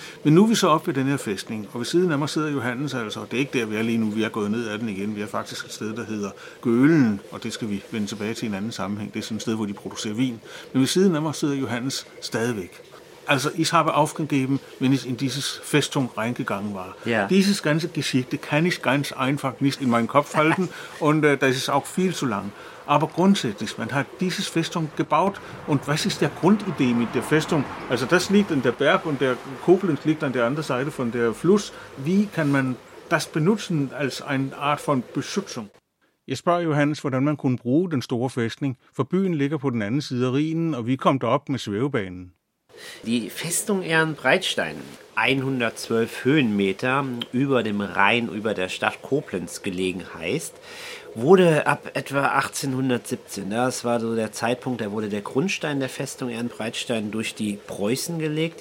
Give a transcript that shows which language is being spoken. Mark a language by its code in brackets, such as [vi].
[da] Men nu er vi så op ved den her fæstning, og ved siden af mig sidder Johannes altså, og det er ikke der, vi er lige nu, vi er gået ned ad den igen. Vi er faktisk et sted, der hedder Gølen, og det skal vi vende tilbage til en anden sammenhæng. Det er sådan et sted, hvor de producerer vin. Men ved siden af mig sidder Johannes stadigvæk. Altså, I har været [de] aufgegeben, [da] men I [de] in dieses Festung reingegangen [da] var. [en] Yeah. [de] Dieses ganze Geschichte kann ich ganz einfach nicht in meinen Kopf halten, und das ist auch viel zu lang. Aber grundsätzlich, man hat dieses Festung gebaut, und was ist der Grundidee mit der Festung? Also, das liegt in der Berg, und der Koblenz liegt an der anderen Seite von der Fluss. Wie kann man das benutzen als eine Art von Beschützung? [da] Jeg spørger Johannes, hvordan man kunne bruge den store festning, for byen ligger på den anden side af Rhinen, og vi kom derop med svævebanen. [de] Die Festung Ehrenbreitstein, 112 Höhenmeter über dem Rhein, über der Stadt Koblenz gelegen heißt wurde ab etwa 1817, das war so der Zeitpunkt, da wurde der Grundstein der Festung Ehrenbreitstein durch die Preußen gelegt.